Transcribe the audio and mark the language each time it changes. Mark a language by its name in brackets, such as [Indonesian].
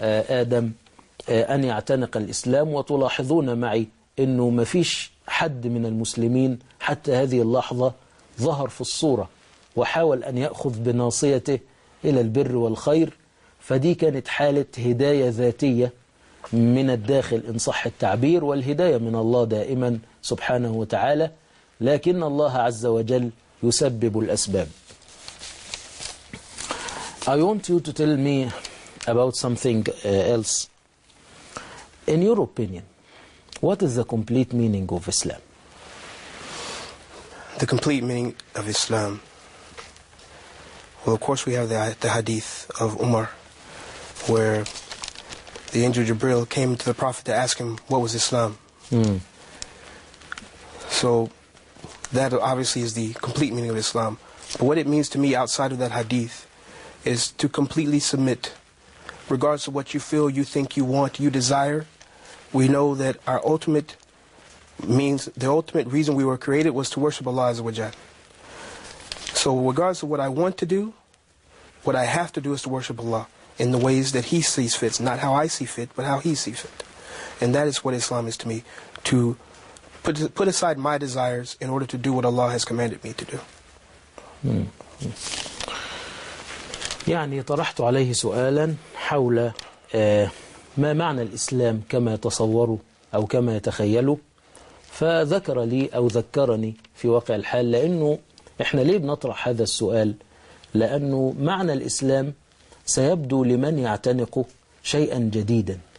[Arabic] آدم أن يعتنق الإسلام وتلاحظون معي أنه ما فيش حد من المسلمين حتى هذه اللحظة ظهر في الصورة وحاول أن يأخذ بناصيته إلى البر والخير فدي كانت حالة هداية ذاتية من الداخل إن صح التعبير والهداية من الله دائما سبحانه وتعالى لكن الله عز وجل يسبب الأسباب. [English] I want you to tell me about something else. In your opinion, what is the complete meaning of Islam? The complete meaning of Islam. Well, of course we have the hadith of Umar where the angel Jibril came to the Prophet to ask him what was Islam. So that obviously is the complete meaning of Islam. But what it means to me outside of that hadith is to completely submit, regardless of what you feel, you think, you want, you desire. We know that our ultimate means, the ultimate reason we were created was to worship Allah Azza wa Jal. So regardless of what I want to do, what I have to do is to worship Allah in the ways that He sees fit, not how I see fit, but how He sees fit. And that is what Islam is to me, to put aside my desires in order to do what Allah has commanded me to do. [Arabic] يعني طرحت عليه سؤالا حول ما معنى الإسلام كما يتصوره أو كما يتخيله، فذكر لي أو ذكرني في واقع الحال. لأنه إحنا ليه بنطرح هذا السؤال؟ لأنه معنى الإسلام سيبدو لمن يعتنقه شيئا جديدا.